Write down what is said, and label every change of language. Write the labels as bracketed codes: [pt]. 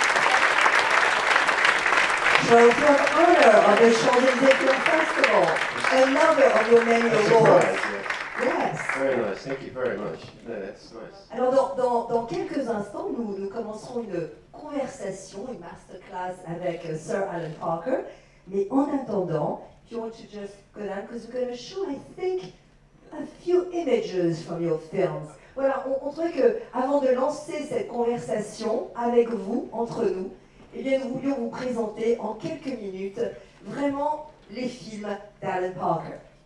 [en] Trophy of honor of the Champs-Élysées Film Festival. Another of your many awards. Very nice, thank you very much. That's nice. [fr] Alors, dans quelques instants, nous commencerons une conversation, une masterclass avec Sir Alan Parker. Mais en attendant, [en] if you want to just go down, because we're going to show, I think, a few images from your films. [fr] Voilà, on trouvait que avant de lancer cette conversation avec vous, entre nous, eh bien, nous voulions vous présenter en quelques minutes vraiment les films d'Alan Parker.